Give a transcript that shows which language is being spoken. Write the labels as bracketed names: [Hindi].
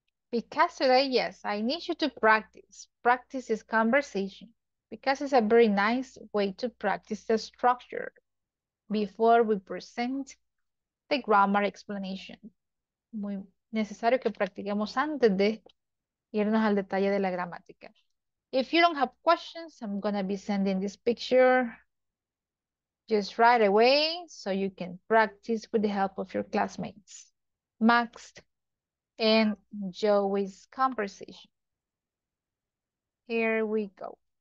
[English] Because today, yes, I need you to practice. Practice this conversation because it's a very nice way to practice the structure before we present the grammar explanation. [Spanish] Muy necesario que practiquemos antes de irnos al detalle de la gramática. [English] If you don't have questions, I'm going to be sending this picture just right away so you can practice with the help of your classmates. Max and Joey's conversation. Here we go.